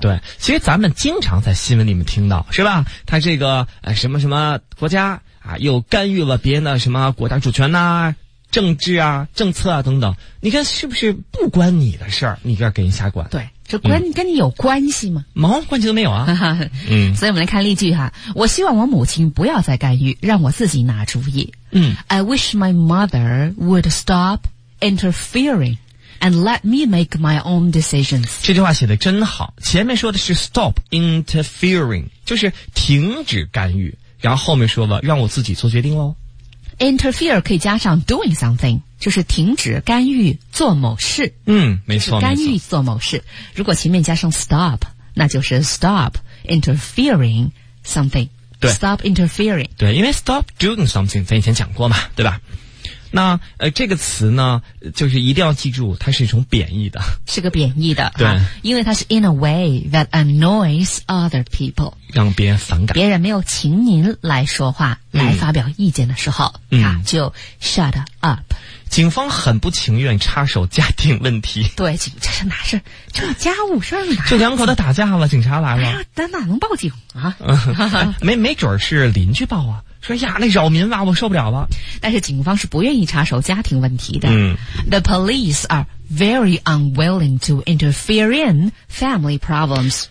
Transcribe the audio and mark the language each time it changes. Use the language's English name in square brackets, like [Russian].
[Chinese] 对，其实咱们经常在新闻里面听到，是吧？他这个什么什么国家啊，又干预了别人的什么国家主权呐，啊、政治啊、政策啊等等。你看是不是不关你的事儿？你这给人瞎管？对，这关，嗯，跟你有关系吗？毛关系都没有啊。嗯，所以我们来看例句哈。我希望我母亲不要再干预，让我自己拿主意。嗯 [English] ，I wish my mother would stop interfering and let me make my own decisions。 [Chinese] 这句话写的真好，前面说的是 [English] stop interfering， [Chinese] 就是停止干预，然后后面说了让我自己做决定喽。 Interfere 可以加上 [English] doing something， [Chinese] 就是停止干预做某事。嗯，没错，干预做某事。如果前面加上 stop， 那就是 [English] stop interfering something。 [Chinese] 对 [English] ，stop interfering。 [Chinese] 对，因为 [English] stop doing something， [Chinese] 咱以前讲过嘛，对吧？那这个词呢，就是一定要记住，它是一种贬义的，是个贬义的。对，因为它是 [English] in a way that annoys other people， [Chinese] 让别人反感。别人没有请您来说话，来发表意见的时候，嗯，啊，就 [English] shut up。 [Chinese] 警方很不情愿插手家庭问题。对，警察是哪事？这家务事儿呢？就两口子打架了，警察来了。哎呀，哪能报警啊？没准是邻居报啊。说呀，那扰民吧，我受不了了。但是警方是不愿意插手家庭问题的。嗯 [English] ，The police are very unwilling to interfere in family problems。